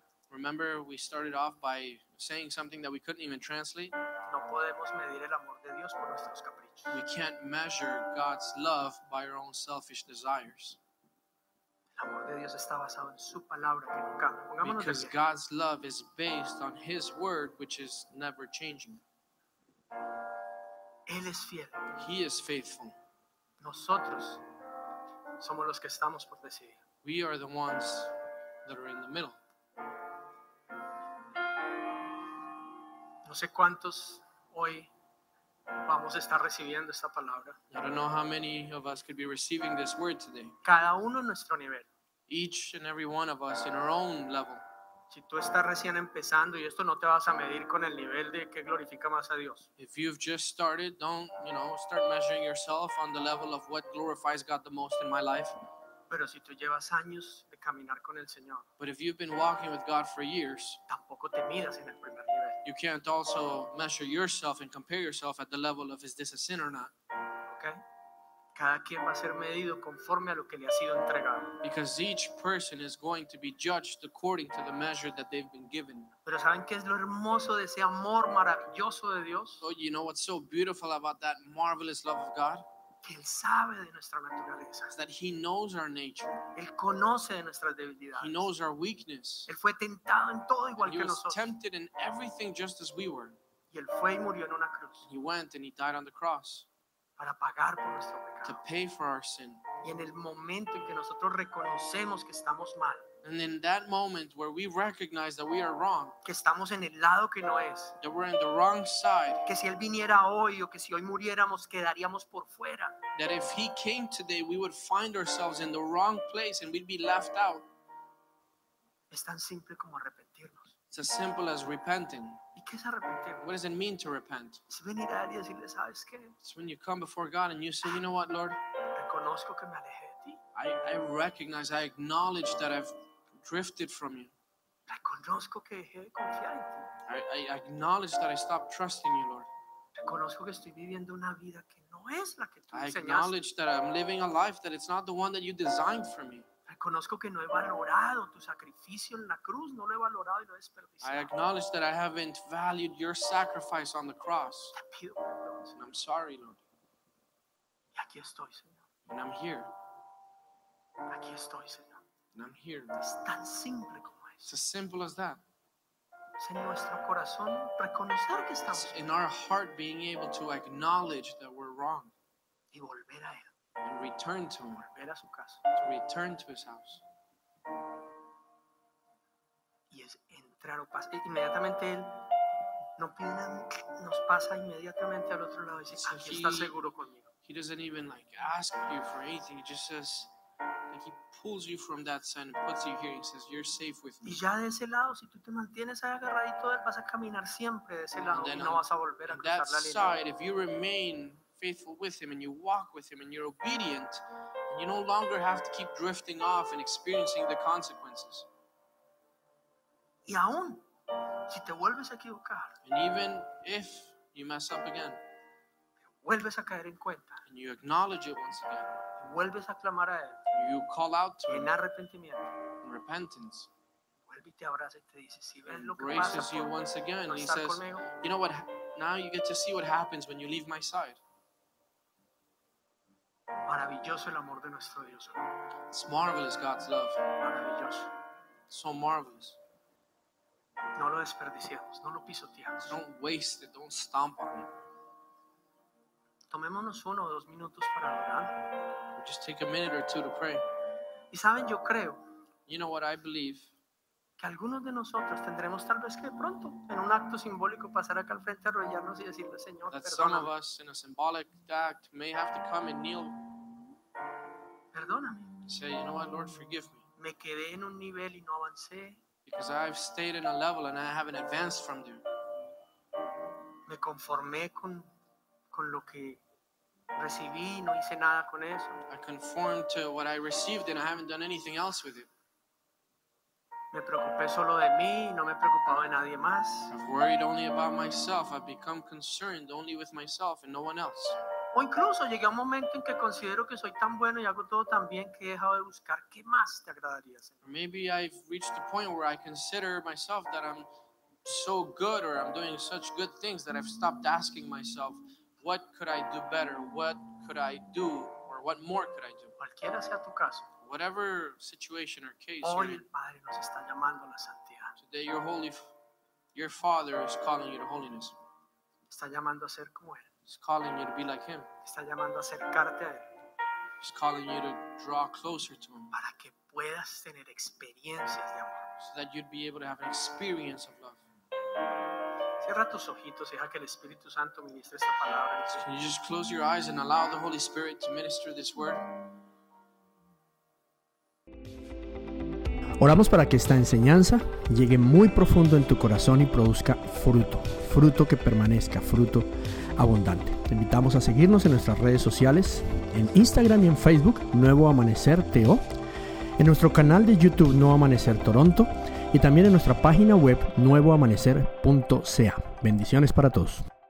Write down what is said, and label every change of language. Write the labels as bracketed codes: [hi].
[en] Remember, we started off by saying something that we couldn't even translate. [es] No podemos medir el amor de Dios por nuestros caprichos. [en] We can't measure God's love by our own selfish desires. [es] El amor de Dios está basado en su palabra, que nunca. Pongámonos [en] because [es] de [en] God's love is based on his word, which is never changing. [es] Él es fiel. [en] He is faithful. [es] Nosotros somos los que estamos por decidir. [en] We are the ones that are in the middle. [es] sé cuántos hoy vamos a estar recibiendo esta palabra. [en] I don't know how many of us could be receiving this word today. [es] Cada uno en nuestro nivel. [en] Each and every one of us in our own level. [es] Si tú estás recién empezando y esto no te vas a medir con el nivel de que glorifica más a Dios. [en] If you've just started, don't, you know, start measuring yourself on the level of what glorifies God the most in my life. [es] Pero si tú llevas años de caminar con el Señor, [en] but if you've been walking with God for years, [es] tampoco te midas en el primer nivel. [en] You can't also measure yourself and compare yourself at the level of is this a sin or not. Okay. [es] Cada quien va a ser medido conforme a lo que le ha sido entregado. [en] Because each person is going to be judged according to the measure that they've been given. [es] Pero ¿saben qué es lo hermoso de ese amor maravilloso de Dios? [en] So you know what's so beautiful about that marvelous love of God? [es] Él sabe de nuestra naturaleza. [en] That he knows our nature. [es] Él conoce de nuestras debilidades. [en] He knows our weakness. [es] Él fue tentado en todo igual que nosotros. [en] He was tempted in everything just as we were. [es] Y él fue y murió en una cruz. [en] He went and he died on the cross. [es] Para pagar por nuestro pecado. [en] To pay for our sin. [es] Y en el momento en que nosotros reconocemos que estamos mal. [en] And in that moment where we recognize that we are wrong, [es] que estamos en el lado que no es, [en] that we're in the wrong side, [es] que si él viniera hoy o que si hoy muriéramos quedaríamos por fuera, [en] that if he came today we would find ourselves in the wrong place and we'd be left out. [es] Es tan simple como arrepentirnos. [en] It's as simple as repenting. [es] ¿Y qué es arrepentir? [en] What does it mean to repent? [es] Es venir a él y decirle, ¿sabes qué? [en] It's when you come before God and you say, you know what, Lord, [es] reconozco que me alejé de ti. [en] I acknowledge that I've drifted from you. [es] Reconozco que dejé de confiar en ti. [en] I acknowledge that I stopped trusting you, Lord. [es] Reconozco que estoy viviendo una vida que no es la que tú enseñaste. [en] I acknowledge that I'm living a life that it's not the one that you designed for me. [es] Reconozco que no he valorado tu sacrificio en la cruz, no lo he valorado y lo he desperdiciado. [en] I acknowledge that I haven't valued your sacrifice on the cross. [es] Te pido perdón. [en] I'm sorry, Lord. [es] Y aquí estoy, Señor. [en] And I'm here. [es] Aquí estoy, Señor. [en] And I'm here. [es] Es tan simple como eso. [en] It's as simple as that. [es] Es en nuestro corazón reconocer que estamos. [en] It's in our heart being able to acknowledge that we're wrong. [es] Y volver a él. [en] And return to him. [es] Volver a su casa. [en] To return to his house. [es] Y es entrar o pasar. Inmediatamente él no pide nada, nos pasa inmediatamente al otro lado y dice, aquí está seguro conmigo. [en] He doesn't even like ask you for anything. He just says, he pulls you from that side and puts you here and says, you're safe with me. [es] Y ya de ese lado, si tú te mantienes ahí agarradito, vas a caminar siempre de ese lado y no vas a volver a cruzar la línea. [en] That side, if you remain faithful with him and you walk with him and you're obedient, you no longer have to keep drifting off and experiencing the consequences. [es] Y aún, si te vuelves a equivocar, [en] and even if you mess up again, [es] vuelves a caer en cuenta, [en] and you acknowledge it once again, [es] vuelves a clamar a él, [en] you call out to [es] en arrepentimiento, [en] in repentance, [es] vuelve y te abraza y te dice, si ves lo que [en] graces you [es] por, [en] once again, [es] no [en] he says, [es] conmigo, [en] you know what, now you get to see what happens when you leave my side. [es] Maravilloso el amor de nuestro Dios. [en] It's marvelous, God's love. [es] Maravilloso. [en] So marvelous. [es] No lo desperdiciamos, no lo pisoteamos. [en] Don't waste it, don't stomp on it. [es] Tomémonos uno o dos minutos para orar. [en] Just take a minute or two to pray. [es] Y saben, yo creo, [en] you know what I believe? [es] Que algunos de nosotros tendremos tal vez que pronto, en un acto simbólico, pasar acá al frente a arrodillarnos y decirle, Señor, [en] that [es] perdóname. [en] Some of us, in a symbolic act, may have to come and kneel. [es] Perdóname. [en] Say, you know what, Lord, forgive me. [es] Me quedé en un nivel y no avancé. [en] Because I've stayed in a level and I haven't advanced from there. [es] Me conformé con lo que recibí, no hice nada con eso. [en] I conformed to what I received and I haven't done anything else with it. [es] Me preocupé solo de mí, no me he preocupado de nadie más. [en] I've worried only about myself. I've become concerned only with myself and no one else. [es] O incluso llegué a un momento en que considero que soy tan bueno y hago todo tan bien que he dejado de buscar qué más te agradaría, Señor. [en] Maybe I've reached a point where I consider myself that I'm so good or I'm doing such good things that I've stopped asking myself, what could I do better? What could I do? Or what more could I do? [es] Cualquiera sea tu caso, [en] whatever situation or case. [es] Hoy el Padre nos está llamando a la santidad. [en] Today your Father is calling you to holiness. [es] Está llamando a ser como él. [en] He's calling you to be like him. [es] Está llamando a acercarte a él. [en] He's calling you to draw closer to him. [es] Para que puedas tener experiencias de amor. [en] So that you'd be able to have an experience of love. [es] Cierra tus ojitos y deja que el Espíritu Santo ministre esta palabra. [en] Can you just close your eyes and allow the Holy Spirit to minister this word? [es] Oramos para que esta enseñanza llegue muy profundo en tu corazón y produzca fruto, fruto que permanezca, fruto abundante. Te invitamos a seguirnos en nuestras redes sociales, en Instagram y en Facebook, Nuevo Amanecer TO, en nuestro canal de YouTube, Nuevo Amanecer Toronto, y también en nuestra página web, nuevoamanecer.ca. Bendiciones para todos.